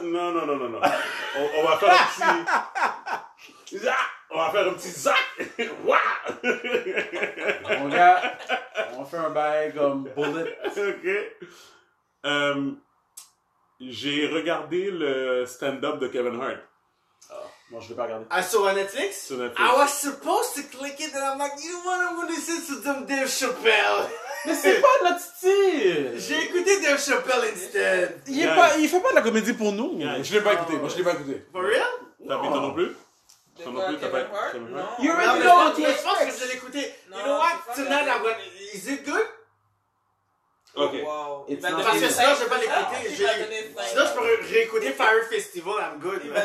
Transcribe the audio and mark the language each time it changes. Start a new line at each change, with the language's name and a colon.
French: Non, non, non, non, non. On va faire un petit. On va faire un petit zac. Wouah! Mon gars, on va faire un bail comme bullet. Ok. J'ai regardé le stand-up de Kevin Hart. Moi, je ne l'ai pas regardé. Sur Netflix? Sur Netflix.
English: I was supposed to click it and I'm like, you wanna listen to some Dave Chappelle?
French: Mais c'est pas notre style! J'ai écouté Dave Chappelle instead. Il fait pas de la comédie pour nous. Yeah. Je ne l'ai pas écouté. Moi, je ne l'ai pas écouté.
English: For real?
French: T'as vu toi non plus? Ça m'a plu, t'as pas.
English: You already know what you expect.
French: Je pense que je l'ai écouté.
English: You know what? Tonight, I'm gonna. Is it good?
French: Ok. Wow. Parce que sinon, je vais pas l'écouter. Sinon, je peux réécouter Fire Festival,
English: I'm good.